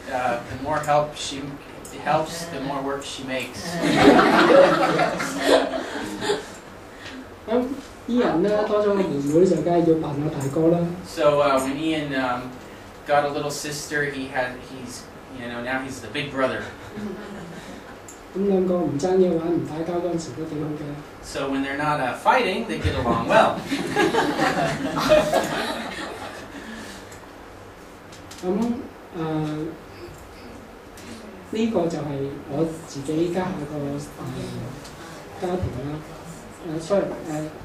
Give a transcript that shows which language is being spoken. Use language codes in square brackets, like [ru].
[en] the more help she helps, the more work she makes. [yue] 咁Ian咧多咗個妹妹，就梗係要扮下大哥啦。 [en] So when Ian got a little sister, he's the big brother. [yue] 咁兩個唔爭嘢玩，唔打交嗰陣時都幾好嘅。 [en] So when they're not fighting, they get along well. [yue] 咁呢個就係我自己家下個家庭啦。